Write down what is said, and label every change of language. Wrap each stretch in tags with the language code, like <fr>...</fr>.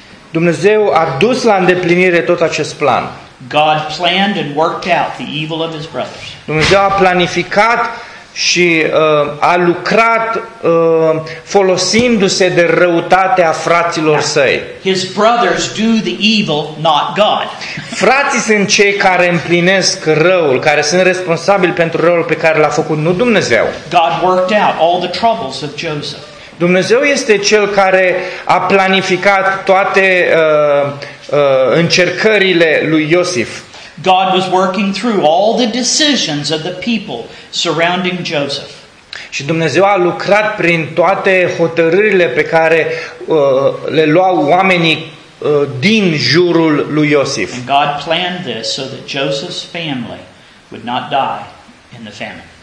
<ro>Dumnezeu a dus la îndeplinire tot acest plan.</ro> <en>God planned and worked out the evil of his brothers.</en> <ro>Dumnezeu a planificat și a lucrat folosindu-se de răutatea fraților săi.</ro> <en>His brothers do the evil, not God.</en> <ro>Frații sunt cei care împlinesc răul, care sunt responsabili pentru răul pe care l-a făcut, nu Dumnezeu.</ro> <en>God worked out all the troubles of Joseph.</en> <ro>Dumnezeu este cel care a planificat toate încercările lui Iosif.</ro> <en>God was working through all the decisions of the people surrounding Joseph.</en> <ro>Și Dumnezeu a lucrat prin toate hotărârile pe care le luau oamenii din jurul lui Iosif.</ro> <en>And God planned this so that Joseph's family would not die in the famine.</en>